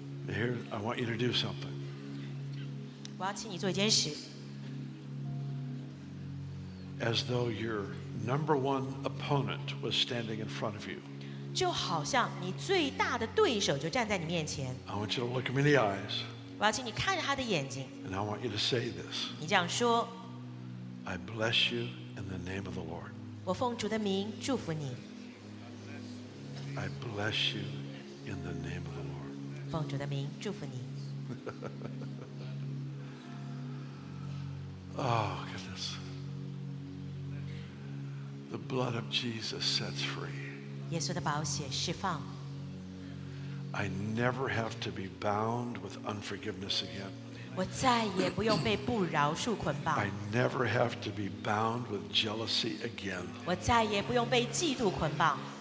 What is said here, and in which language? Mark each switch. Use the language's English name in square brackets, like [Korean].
[English] Here, I want you to do something. [Chinese] 我要请你做一件事。 [English] As though your number one opponent was standing in front of you. [Chinese] 就好像你最大的对手就站在你面前。 [English] I want you to look him in the eyes. [Chinese] 我要请你看着他的眼睛。 [English] And I want you to say this. [Chinese] 你这样说。 [English] I bless you in the name of the Lord. [Chinese] 我奉主的名祝福你。 [English] I bless you in the name of the Lord. [Chinese] 奉主的名祝福你。 [English] Oh, goodness. The blood of Jesus sets free. [Chinese] 耶稣的宝血释放。 [English] I never have to be bound with unforgiveness again. [Chinese] 我再也不用被不饶恕捆绑。 [English] I never have to be bound with jealousy again. [Chinese] 我再也不用被嫉妒捆绑。